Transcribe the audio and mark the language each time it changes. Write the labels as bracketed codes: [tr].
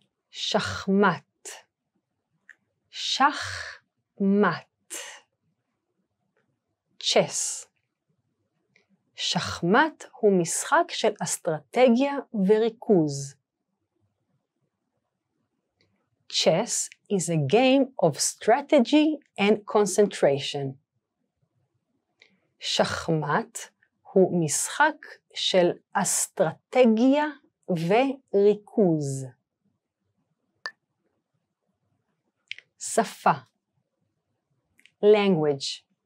[he] שחמט. שחמט. [en] צ'ס. [he] שחמט הוא משחק של אסטרטגיה וריכוז. [en] Chess is a game of strategy and concentration. [he] שחמט הוא משחק של אסטרטגיה וריכוז. שפה. [en] Language.